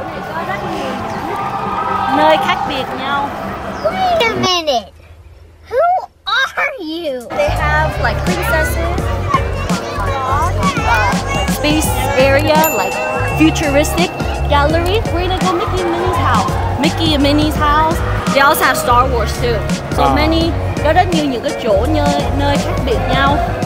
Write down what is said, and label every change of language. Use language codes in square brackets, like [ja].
[vi] có rất nhiều nơi khác biệt nhau. [en] Wait a minute. Who are you? They have like princesses, space area, like futuristic gallery. We're gonna go Mickey and Minnie's house. Mickey and Minnie's house. They also have Star Wars too. So many, [vi] có rất nhiều những cái chỗ nơi khác biệt nhau.